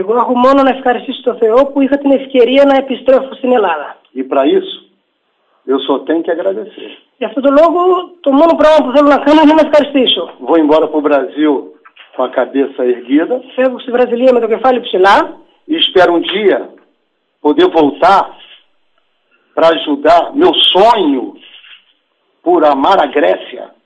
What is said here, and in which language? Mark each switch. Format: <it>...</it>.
<el>Εγώ έχω μόνο να ευχαριστήσω τον Θεό που είχα την ευκαιρία να επιστρέφω στην Ελλάδα.</el> <pt>E para isso, eu só tenho que agradecer.</pt> <el>Γι' αυτό το λόγο, το μόνο πράγμα που θέλω να κάνω είναι να ευχαριστήσω.</el> <pt>Vou embora para o Brasil com a cabeça erguida.</pt> <el>Φεύγω στη Βραζιλία με το κεφάλι ψηλά.</el> <pt>E espero um dia poder voltar para ajudar meu sonho por amar a Grécia.</pt>